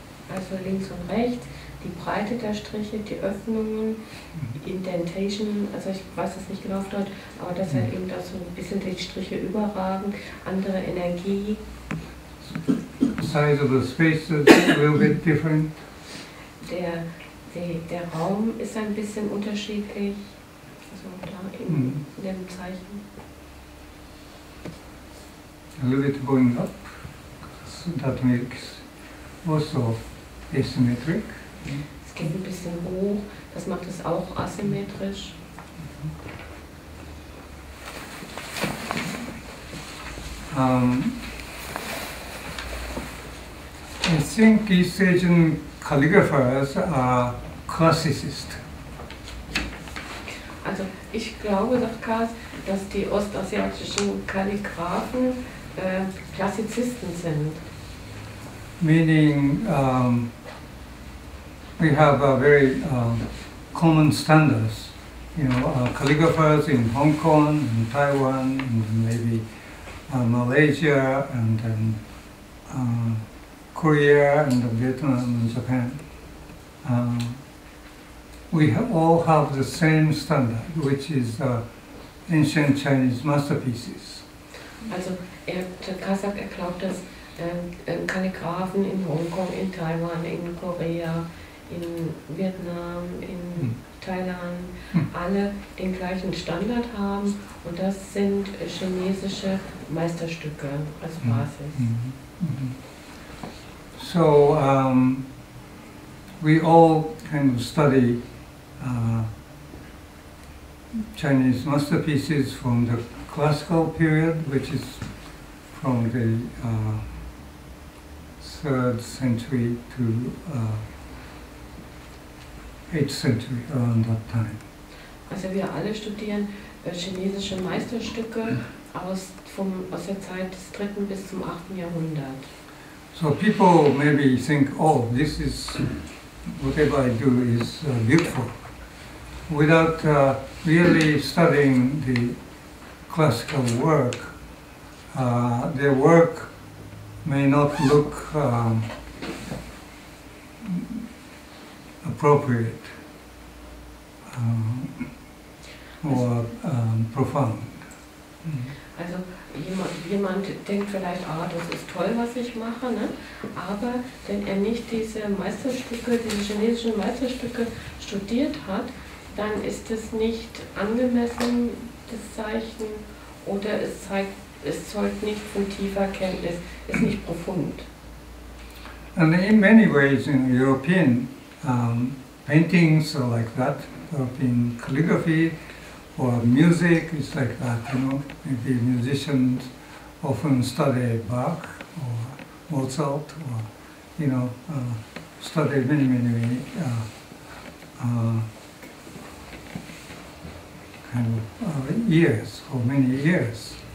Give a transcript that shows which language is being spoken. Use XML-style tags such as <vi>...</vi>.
<de>Also links und rechts, die Breite der Striche, die Öffnungen, Indentation, also ich weiß es nicht genau dort, aber dass er eben da so ein bisschen die Striche überragen, andere Energie.</de> <en>Size of the spaces will be different.</en> <de>Der Raum ist ein bisschen unterschiedlich, also da in dem Zeichen.</de> <en>A little bit going up, so that makes also asymmetric.</en> <de>Es geht ein bisschen hoch, das macht es auch asymmetrisch.</de> <en>I think East Asian calligraphers are classicists.</en> <de>Also ich glaube, sagt Kas, dass die ostasiatischen Kalligraphen Klassizisten sind.</de> <en>Meaning, we have a very common standards. You know, calligraphers in Hong Kong, in Taiwan, and maybe Malaysia, and then Korea, and Vietnam, and Japan. We all have the same standard, which is ancient Chinese masterpieces.</en> <de>Also, Kasak glaubt, dass Kalligraphen in Hongkong, in Taiwan, in Korea, in Vietnam, in Thailand alle den gleichen Standard haben und das sind chinesische Meisterstücke als Basis. Mm-hmm. Mm-hmm.</de> <en>So, we all kind of study Chinese masterpieces from the classical period, which is from the 3rd century to 8th century, around that time.</en> <de>Also wir alle studieren chinesische Meisterstücke aus der Zeit des 3. bis zum 8. Jahrhundert.</de> <en>So people maybe think, oh, this is, whatever I do is beautiful. Without really studying the classical work, their work may not look appropriate or profound.</en> <de>Also jemand denkt vielleicht, ah, das ist toll, was ich mache, ne? Aber wenn er nicht diese chinesischen Meisterstücke studiert hat, dann ist es nicht angemessen, das Zeichen, oder es zeigt, es zeugt nicht von tiefer Kenntnis, ist nicht profund.</de> <en>And in many ways in European paintings are like that, European calligraphy or music is like that, you know. Maybe musicians often study Bach or Mozart or, you know, study many years.</en>